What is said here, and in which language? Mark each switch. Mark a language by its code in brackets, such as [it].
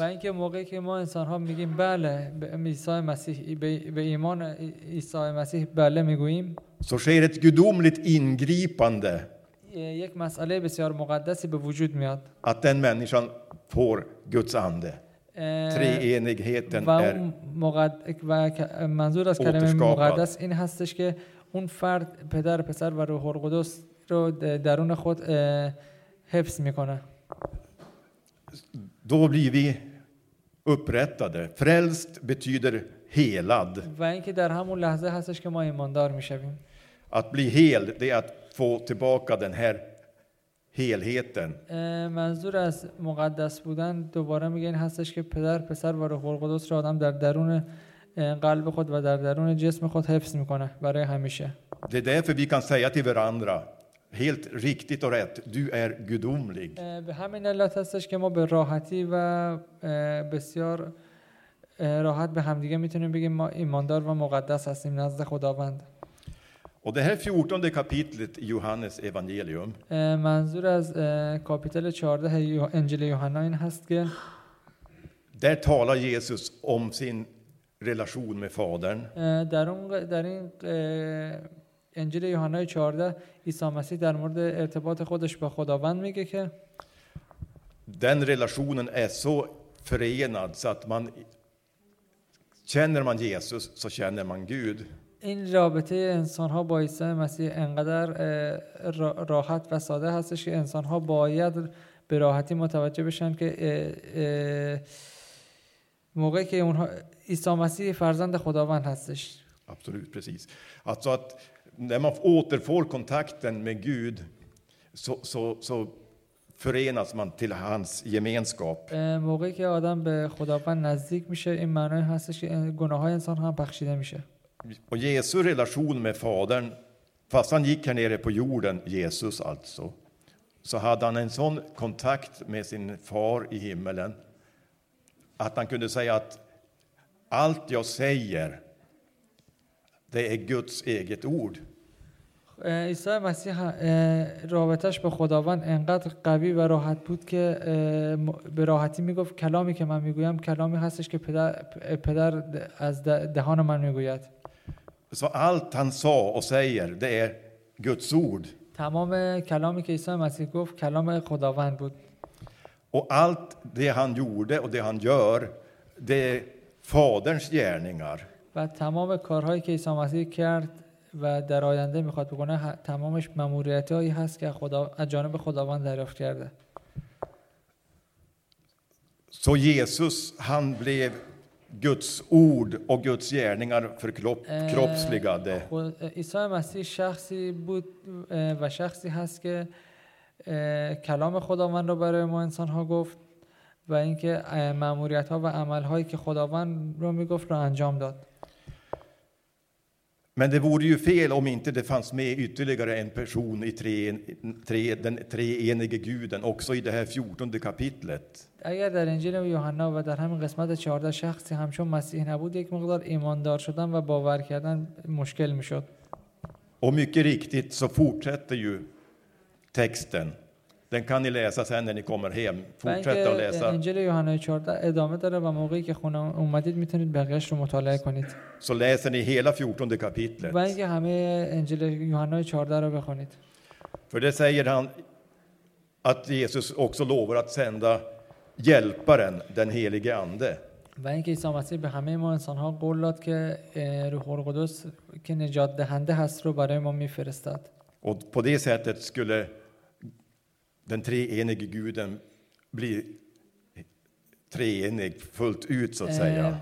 [fa] و اینکه موقعی که ما انسان‌ها میگیم بله به عیسی مسیح به ایمان عیسی مسیح بله میگوییم. [sv] Så sker ett gudomligt ingripande. [fa] یک مسئله بسیار مقدسی به وجود میاد. [sv] Att den människan får Guds ande. Treenigheten är. [fa] و منظور از کلمه مقدس این هستش که اون فرد پدر پسر و روح القدس رو درون خود حفظ میکنه. [sv] Då blir vi upprättade. Frälst betyder helad. [fa] و اینکه در همون لحظه هستش که ما ایماندار میشویم. [sv] Att bli hel, det är att få tillbaka den här helheten. [fa] منظور از مقدس بودن دوباره میگه این هستش که پدر پسر و روح القدس رو آدم در درون قلب خود و در درون جسم خود حفظ میکنه برای همیشه. [sv] Det är därför vi kan säga till varandra helt riktigt och rätt, du är gudomlig. [fa] به همین علت هستش که ما به راحتی و بسیار راحت به همدیگه میتونیم بگیم ما ایماندار و مقدس هستیم نزد خداوند. [sv] Och det här 14:e kapitlet i Johannes evangelium. [fa] منظور از kapitel 14 انجیل یوحنا این هست که [sv] där talar Jesus om sin relation med fadern. [fa] در این انجیل یوحنا 14 عیسی مسیح در مورد ارتباط خودش با خداوند میگه که [sv] den relationen är så förenad så att man känner man Jesus så känner man Gud. [fa] این رابطه انسان‌ها با عیسی مسیح انقدر راحت و ساده هستش که انسان‌ها باید به راحتی متوجه بشن که موقعی که اونها عیسی مسیح فرزند خداوند هستش. [sv] Absolut precis. Alltså att när man återfår kontakten med Gud så förenas man till hans gemenskap. [fa] موقعی که آدم به خداوند نزدیک میشه این معنی هستش که گناه‌های انسان هم بخشیده میشه. [sv] Och Jesu relation med fadern, fast han gick här nere på jorden, Jesus alltså, så hade han en sån kontakt med sin far i himmelen att han kunde säga att allt jag säger, det är Guds eget ord. [fa] عیسی مسیح رابطش با خداوند انقدر قوی و راحت بود که به راحتی میگفت کلامی که من میگویم کلامی هستش که پدر از دهان من میگوید. [sv] Så allt han sa och säger, det är Guds ord. [fa] تمام کلامی که عیسی مسیح گفت کلام خداوند بود. [sv] Och allt det han gjorde och det han gör, det är faderns gärningar. [fa] و تمام کارهایی که عیسی مسیح کرد و در آینده میخواد بکنه تمامش ماموریتایی هست که از جانب خداوند دریافت کرده. [sv] Så Jesus, han blev Guds ord och Guds gärningar förkroppsligade. [fa] عیسی مسیح شخصی بود و شخصی هست که کلام خداوند رو برای ما انسان ها گفت و اینکه ماموریت ها و عمل هایی که خداوند رو میگفت رو انجام داد. [sv] Men det vore ju fel om inte det fanns med ytterligare en person i den treenige guden också i det här 14:e kapitlet. [fa] اگر در انجیل یوحنا و در همین قسمت 14 شخصی همچون مسیح نبود یک مقدار ایماندار شدن و باور کردن مشکل میشد. [sv] Och mycket riktigt så fortsätter ju texten. Den kan ni läsa sen när ni kommer hem. Fortsätt att läsa. [fa] در انجیل یوحنا 14 ادامه داره و موقعی که خونه اومدید میتونید بقیه‌اش رو مطالعه کنید. [sv] Så läser ni hela 14:e kapitlet. [fa] و اینکه همه انجیل یوحنا 14 رو بخونید. [sv] För det säger han att Jesus också lovar att sända hjälparen, den helige ande. [fa] و اینکه عیسی مسیح به همه ما انسان‌ها قول داد که روح القدس که نجات دهنده هست رو برای ما میفرستد. [sv] Och på det sättet skulle den treenige guden blir treenig fullt ut så att säga.